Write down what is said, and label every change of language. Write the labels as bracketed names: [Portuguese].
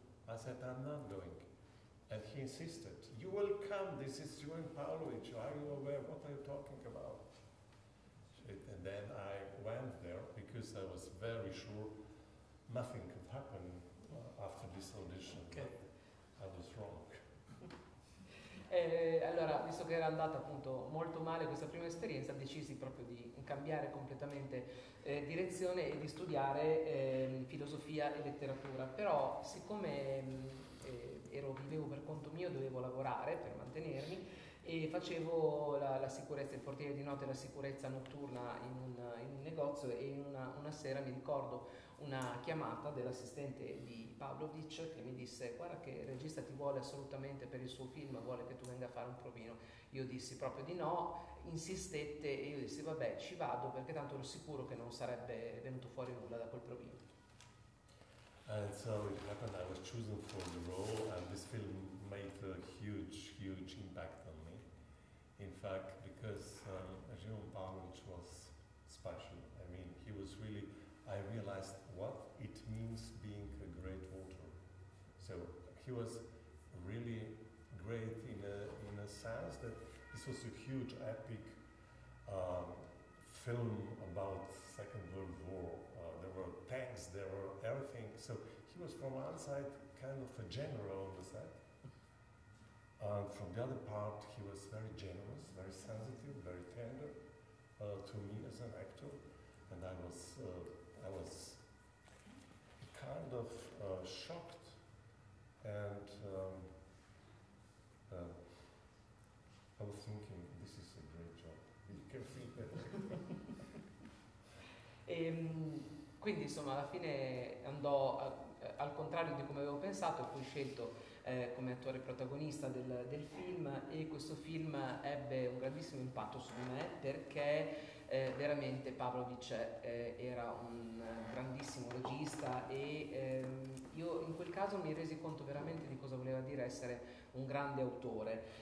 [English] I said, I'm not going. And he insisted, you will come, this is Živojin Pavlovic, are you aware, what are you talking about? And then I went there because I was very sure nothing could happen after this audition. Okay. I was wrong. [Italian] Allora, visto che era andata appunto molto male questa prima esperienza, decisi proprio di cambiare completamente direzione e di studiare filosofia e letteratura. Però siccome vivevo per conto mio, dovevo lavorare per mantenermi e facevo la sicurezza, il portiere di notte, la sicurezza notturna in un negozio, e una sera mi ricordo una chiamata dell'assistente di Pavlovic che mi disse, guarda che il regista ti vuole assolutamente per il suo film, vuole che tu venga a fare un provino. Io dissi proprio di no, insistette, e io dissi vabbè, ci vado, perché tanto ero sicuro che non sarebbe venuto fuori nulla da quel provino. [English] And so it happened, I was chosen for the role, and this film made a huge, huge impact on me. In fact, because Živojin Pavlovic was special, I mean, he was really, I realized what it means being a great author. So he was really great in a sense that this was a huge epic film about Second World War. There were tanks, there were everything. So he was from one side kind of a general on the side, From the other part, he was very generous, very sensitive, very tender to me as an actor, and I was kind of shocked and I was thinking, this is a great job. You can feel that. [Italian] Quindi insomma alla fine andò al contrario di come avevo pensato, fui scelto come attore protagonista del film, e questo film ebbe un grandissimo impatto su di me perché veramente Pavlovic era un grandissimo regista, e io in quel caso mi resi conto veramente di cosa voleva dire essere un grande autore.